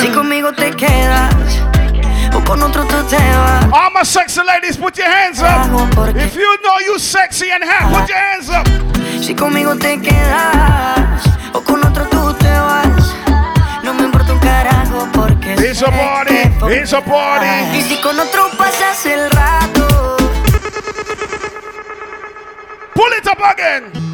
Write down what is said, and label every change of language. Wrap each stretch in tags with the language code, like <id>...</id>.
<es>Si conmigo te quedas o con otro tú te vas.</es> <en>All my sexy ladies, put your hands up. If you know you sexy and hot, put your hands up.</en> <es>Si conmigo te quedas o con otro tú te vas. No me importa un carajo porque</es> <en>it's a party, it's a party.</en> <es>Y si con otro pasas el rato,</es> <en>pull it up again.</en>